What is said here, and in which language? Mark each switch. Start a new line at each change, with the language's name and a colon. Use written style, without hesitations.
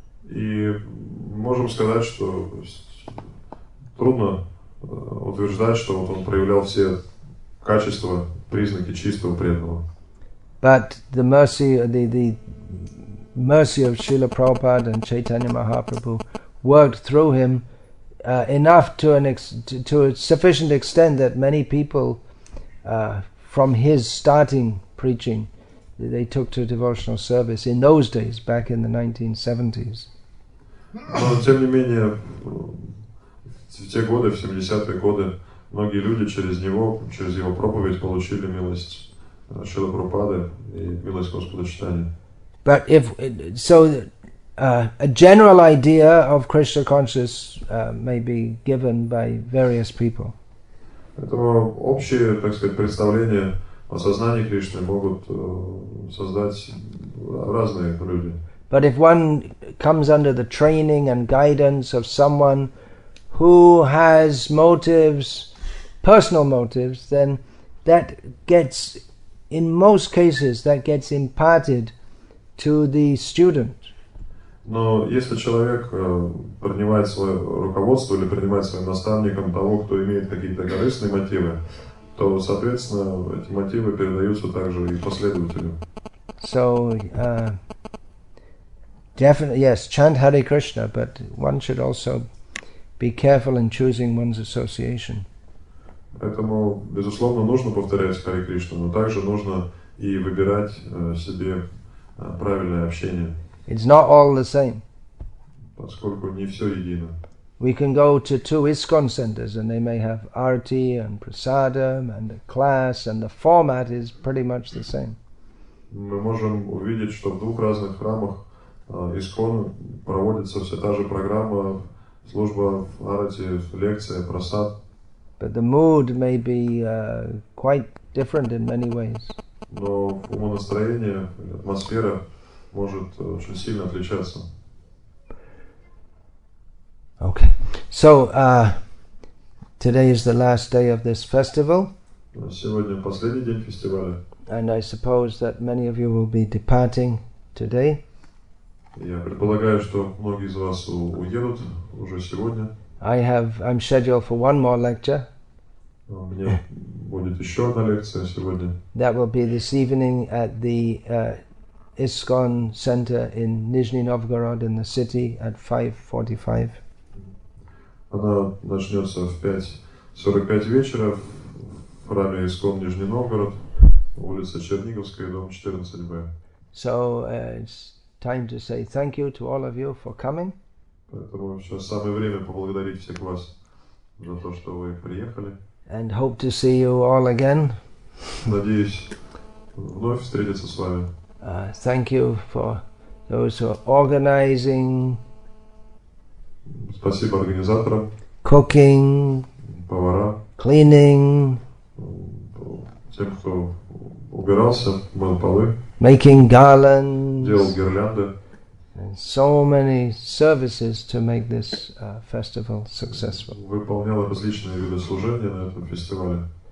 Russian: И можем сказать, что трудно утверждать, что вот он проявлял все качества, признаки чистого преданного.
English: But the mercy, the mercy of Srila Prabhupada and Chaitanya Mahaprabhu worked through him enough to an to a sufficient extent that many people from his starting preaching they took to devotional service in those days back in the 1970s.
Russian: Но тем не менее в те годы, в 70-е годы, многие люди через него, через его проповедь получили милость Шрилы Прабхупады и милость Господа Чайтаньи.
English: But if so, a general idea of Krishna consciousness may be given by various people.
Russian: Поэтому общее, так сказать, представление о сознании Кришны могут создать разные люди.
English: But if one comes under the training and guidance of someone who has motives, personal motives, then that gets, in most cases, that gets imparted to the student.
Russian: Но если человек принимает свое руководство или принимает своим наставником того, кто имеет какие-то корыстные мотивы, то, соответственно, эти мотивы передаются также и последователю.
English: So, definitely, yes, chant Hare Krishna, but one should also be careful in choosing one's association.
Russian: Поэтому, безусловно, нужно повторять Hare Krishna, но также нужно и выбирать себе правильное общение.
English: It's not all the same.
Russian: Поскольку не все едино.
English: We can go to two ISKCON centers and they may have arati and prasadam and a class and the format is pretty much the same.
Russian: Мы можем увидеть, что в двух разных храмах ISKCON проводится вся та же программа, служба в арати, лекция, прасад.
English: But the mood may be quite different in many ways.
Russian: Но умонастроение, атмосфера может очень сильно отличаться.
English: Okay. So, today is the last day of this festival.
Russian: Сегодня последний день фестиваля.
English: And I suppose that many of you will be departing today.
Russian: Я предполагаю, что многие из вас уедут уже сегодня.
English: I'm scheduled for one more lecture.
Russian: У меня будет еще одна лекция сегодня.
English: That will be this evening at the ISKCON center in Nizhny Novgorod in the city at 5:45.
Russian: Она начнется в 5:45 вечера в храме ISKCON Нижний Новгород, улица Черниговская, дом 14-Б.
English: So it's time to say thank you to all of you for coming.
Russian: Поэтому сейчас самое время поблагодарить всех вас за то, что вы приехали.
English: And hope to see you all again.
Russian: Надеюсь вновь встретиться с вами.
English: Thank you for those who are organizing.
Russian: Спасибо организаторам.
English: Cooking.
Russian: Повара.
English: Cleaning.
Russian: Тем, кто убирался, мыл полы.
English: Making garlands.
Russian: Делал гирлянды.
English: So many services to make this festival successful.
Russian: Выполняла различные виды служения на этом фестивале.